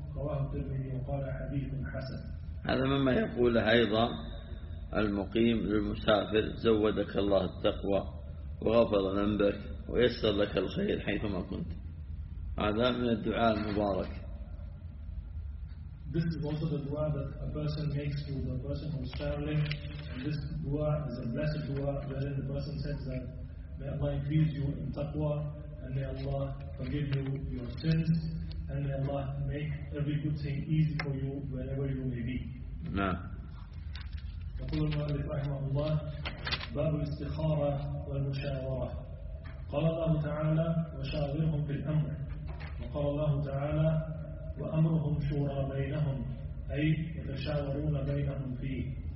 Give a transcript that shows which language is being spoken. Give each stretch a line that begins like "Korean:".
Arabic: رواه الترمذي وقال حديث حسن. هذا مما يقول أيضا المقيم للمسافر زودك الله التقوى وغفر ذنبك ويسر لك الخير حيثما كنت، هذا من الدعاء المبارك.
English: This is also the dua that a person makes to the person who is traveling, and this dua is a blessed dua, wherein the person says that may Allah increase you in taqwa, and may Allah forgive you your sins, and may Allah make every good thing easy for you wherever you may be. No.
Arabic: يقول المؤلف رحمه الله باب الاستخارة والمشاورة. قال الله تعالى وشاورهم بالأمر، وقال الله تعالى وأمرهم شورى بينهم، أي يتشاورون بينهم فيه.